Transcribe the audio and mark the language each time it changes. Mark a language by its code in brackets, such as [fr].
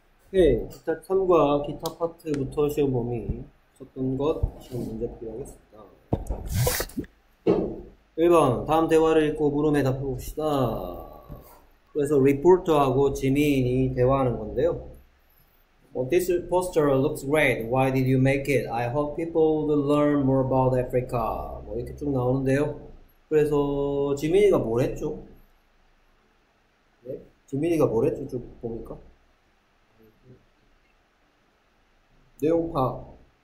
[ko] 네, 기타 탐과 기타 파트부터 시험 범위 쳤던 것 시험 문제 풀이하겠습니다. 1번, 다음 대화를 읽고 물음에 답해봅시다. 그래서 리포터하고 지민이 대화하는 건데요. [en] Well, this poster looks great. Why did you make it? I hope people will learn more about Africa. [ko] 뭐 이렇게 쭉 나오는데요. 그래서 지민이가 뭘 했죠? 네? 지민이가 뭘 했죠? 쭉 보니까. 내용 파악.